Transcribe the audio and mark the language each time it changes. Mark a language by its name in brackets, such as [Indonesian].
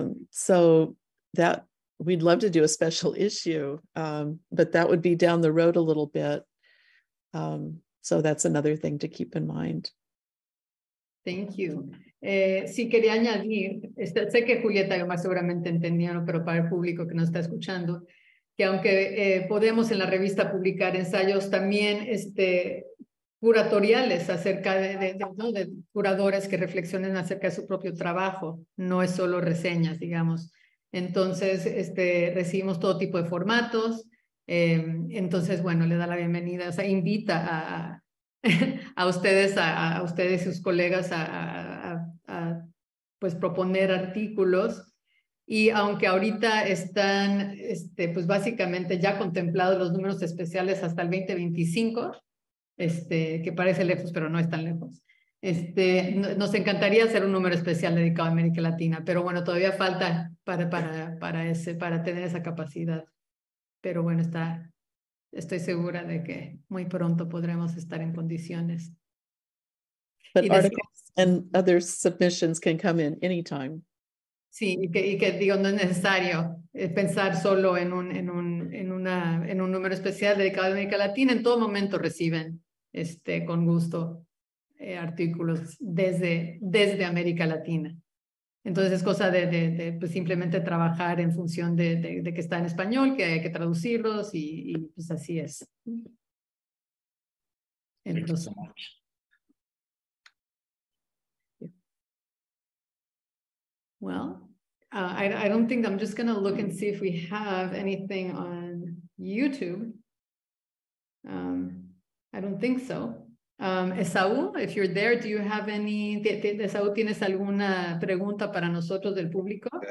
[English] So that we'd love to do a special issue, but that would be down the road a little bit. So that's another thing to keep in mind. Thank you. [Spanish] Si quería añadir, sé que Julieta y Omar seguramente entendieron, pero para el público que nos está escuchando, que aunque podemos en la revista publicar ensayos también curatoriales acerca de curadores que reflexionen acerca de su propio trabajo, no es solo reseñas, digamos. Entonces, recibimos todo tipo de formatos. Entonces, bueno, le da la bienvenida, o sea, invita a ustedes y sus colegas a proponer artículos. Y aunque ahorita están, pues básicamente ya contemplados los números especiales hasta el 2025, que parece lejos, pero no es tan lejos. Nos encantaría hacer un número especial dedicado a América Latina, pero bueno, todavía falta para tener esa capacidad. Pero bueno, estoy segura de que muy pronto podremos estar en condiciones. [English] But y articles decir, and other submissions can come in anytime. [Spanish] Sí, y que digo, no es necesario pensar solo en un número especial dedicado a América Latina. En todo momento reciben con gusto artículos desde América Latina. Entonces es cosa de pues simplemente trabajar en función de que está en español, que hay que traducirlos y pues así es. Entonces, [English] thank you so much. Well, I don't think I'm just going to look and see if we have anything on YouTube. I don't think so. Esaú, if you're there, do you have any? [Spanish] Esaú, ¿tienes alguna pregunta para nosotros del público?